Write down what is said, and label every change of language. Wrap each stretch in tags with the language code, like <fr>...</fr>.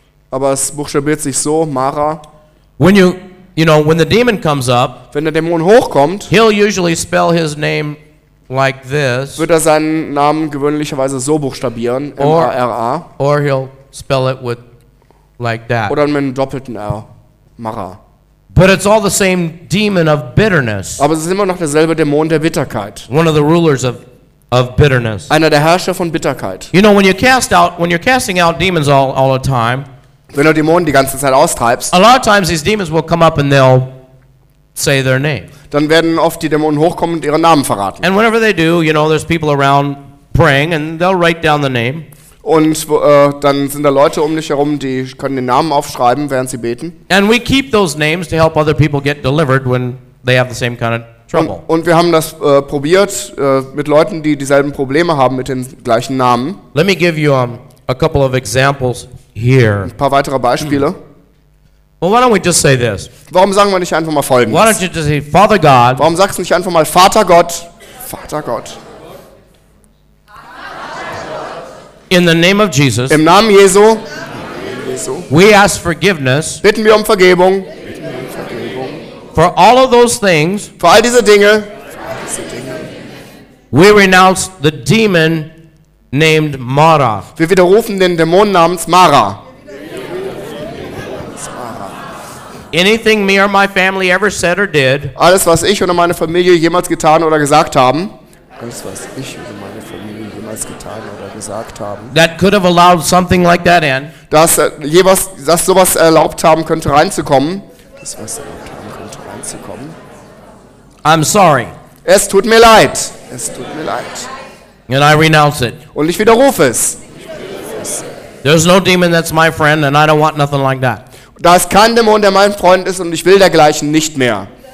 <de>Aber es buchstabiert sich so, Mara.</de> <en>When you know, when the demon comes up,</en> <de>wenn der Dämon hochkommt,</de> <en>he'll usually spell his name like this,</en> <de>wird er seinen Namen gewöhnlicherweise so buchstabieren, M-A-R-A.</de> <en>Or he'll spell it with like that.</en> <de>Oder mit einem doppelten R, Mara.</de> <en>But it's all the same demon of bitterness.</en> <de>Aber es ist immer noch derselbe Dämon der Bitterkeit.</de> <en>One of the rulers of bitterness.</en> <de>Einer der Herrscher von Bitterkeit.</de> <en>You know, when you cast out, when you're casting out demons all the time,</en> <de>wenn du Dämonen die ganze Zeit austreibst,</de> <en>a lot of times these demons will come up and they'll say their name.</en> <de>Dann werden oft die Dämonen hochkommen und ihren Namen verraten.</de> <en>And whenever they do, you know, there's people around praying and they'll write down the name.</en> <de>Und dann sind da Leute um dich herum, die können den Namen aufschreiben, während sie beten.</de> <en>And we keep those names to help other people get delivered when they have the same kind of trouble.</en> <de>Und wir haben das probiert mit Leuten, die dieselben Probleme haben mit den gleichen Namen.</de> <en>Let me give you a couple of examples here.</en> <de>Ein paar weitere Beispiele.</de> <en>Well, why don't we just say this?</en> <de>Warum sagen wir nicht einfach mal Folgendes?</de> <en>Why don't you just say Father God?</en> <de>Warum sagst du nicht einfach mal Vater Gott? Vater Gott.</de> <en>In the name of Jesus.</en> <de>Im Namen Jesu.</de> <en>We ask forgiveness.</en> <de>Bitten wir um Vergebung.</de> <en>For all of those things.</en> <de>Für all diese Dinge.</de> <en>We renounce the demon named Mara.</en> <de>Wir widerrufen den Dämon namens Mara.</de> <en>Anything me or my family ever said or did.</en> <de>Alles was ich oder meine Familie jemals getan oder gesagt haben. Alles was ich oder meine Familie jemals getan oder gesagt haben.</de> <en>That could have allowed something like that in.</en> <de>Dass sowas erlaubt haben könnte reinzukommen. Das was erlaubt haben könnte reinzukommen.</de> <en>I'm sorry.</en> <de>Es tut mir leid. Es tut mir leid.</de> <en>And I renounce it.</en> <de>Und ich widerrufe es.</de> <en>There's no demon that's my friend and I don't want nothing like that.</en> <de>Da ist kein Dämon, der mein Freund ist und ich will dergleichen nicht mehr.</de>